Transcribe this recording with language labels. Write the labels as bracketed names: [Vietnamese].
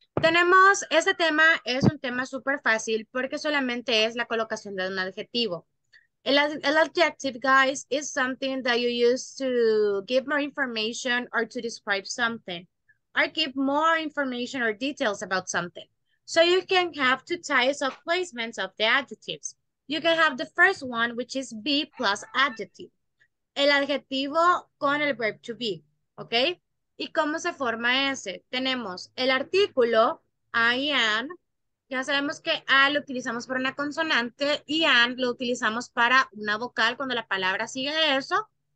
[Spanish] Tenemos, este tema es un tema súper fácil porque solamente es la colocación de un adjetivo. [English] El adjective, guys, is something that you use to give more information or to describe something. I give more information or details about something. So you can have two types of placements of the adjectives. You can have the first one, which is be plus adjective. [Spanish] El adjetivo con el [English] verb to be, [Spanish] ¿ok? ¿Y cómo se forma ese? Tenemos el artículo, [English] I am. [Spanish] Ya sabemos que A lo utilizamos para una consonante y an lo utilizamos para una vocal cuando la palabra sigue de eso.